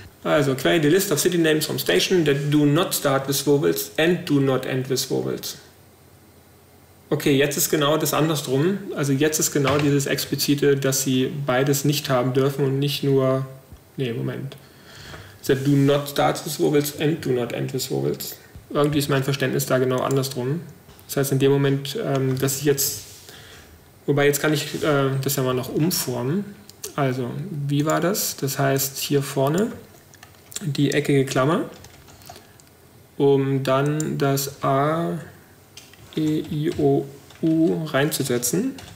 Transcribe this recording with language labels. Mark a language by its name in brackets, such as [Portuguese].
[English] Also, create the list of city names from station that do not start with vowels and do not end with vowels. [German] Okay, jetzt ist genau das andersrum. Also jetzt ist genau dieses Explizite, dass sie beides nicht haben dürfen und nicht nur... Nee, Moment. [English] That do not start with vowels and do not end with vowels. [German] Irgendwie ist mein Verständnis da genau andersrum. Das heißt, in dem Moment, dass ich jetzt... Wobei, jetzt kann ich das ja mal noch umformen. Also, wie war das? Das heißt, hier vorne die eckige Klammer, um dann das A, E, I, O, U reinzusetzen.